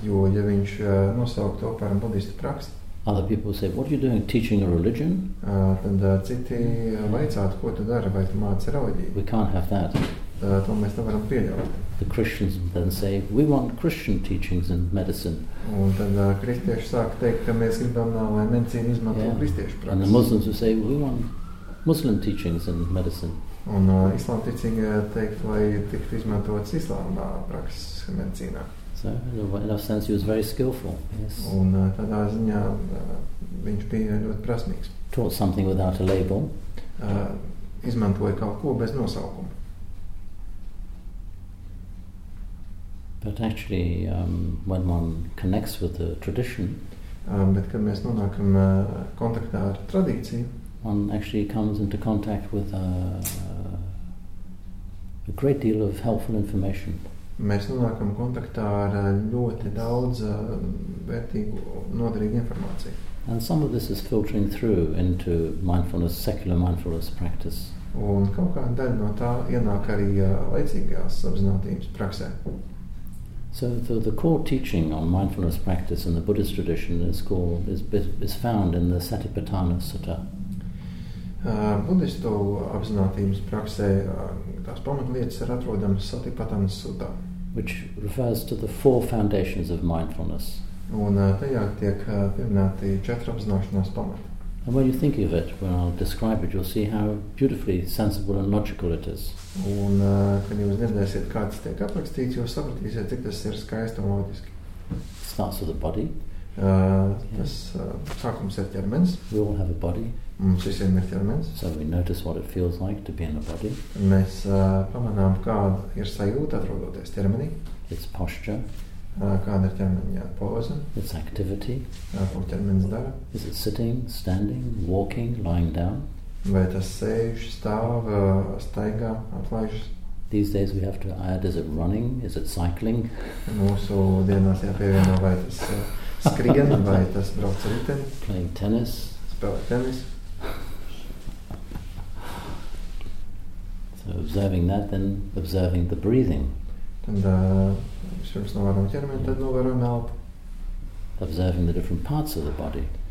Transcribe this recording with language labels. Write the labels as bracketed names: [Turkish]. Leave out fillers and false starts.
[Latvian] Jo ja viņš nosauka to par budistu praksi. [English] Other people say, what are you doing teaching a religion? [Latvian] Tad citi vaicātu, ko tu dari, vai tu māci reliģiju. [English] We can't have that. [Latvian] To mēs nevaram pieļaut. [English] The Christians then say, we want Christian teachings in medicine. [Latvian] Un tad kristieši sāk teikt, ka mēs gribam, lai medicīna izmanto yeah. kristiešu praksi. [English] And the Muslims who say, we want Muslim teachings in medicine. [Latvian] Un islāma ticīgi teikt, lai tiktu izmantots islāma praksis medicīnā. [English] So, in a sense, he was very skillful. Yes. [Latvian] Un tādā ziņā viņš bija ļoti prasmīgs. [English] Taught something without a label. [Latvian] Izmantoja kaut ko bez nosaukuma. [English] But actually, when one connects with the tradition, [Latvian] bet kad mēs nonākam kontaktā ar tradīciju, [English] one actually comes into contact with a great deal of helpful information. [Latvian] Mēs nonākam kontaktā ar ļoti daudz vērtīgu, noderīgu informāciju. [English] And some of this is filtering through into mindfulness, secular mindfulness practice. [Latvian] Un kaut kā daļa no tā ienāk arī laicīgās apzinātības praksē. [English] So the core teaching on mindfulness practice in the Buddhist tradition is found in the Satipatthana Sutta. [Latvian] Budistu apzinātības praksē tās pamatlietas ir atrodamas Satipatthana Sutta, [English] which refers to the four foundations of mindfulness. [Latvian] Un tajā tiek pieminēti četri apzināšanās pamati. [English] And when you think of it, when I'll describe it, you'll see how beautifully sensible and logical it is. [Latvian] Un, kad jūs dzirdēsiet, kā tas tiek aprakstīts, jūs sapratīsiet, cik tas ir skaisti un loģiski. [English] It starts with the body. [Latvian] Tas sākums ir ķermenis. [English] We all have a body. [Latvian] Mums visiem ir ķermenis. [English] So we notice what it feels like to be in a body. [Latvian] Mēs pamanām, kāda ir sajūta atrodoties ķermenī. [English] It's posture. [Latvian] Kāda ir ķermeņa poza? [English] It's activity. [Latvian] Ko ķermenis dara? [English] Is it sitting, standing, walking, lying down? [Latvian] Vai tas sēž, stāv, staigā, atlaižas? [English] These days we have to add, is it running, is it cycling? [Latvian] Mūsu dienās jāpievieno, vai tas skrien, vai tas brauc riteni? [English] Playing tennis. [Latvian] Spēlēt tenis. [English] So observing that, then observing the breathing. [Latvian] Tad pirms novērām ķermeni, tad novērām elpu. [English] Observing the different parts of the body.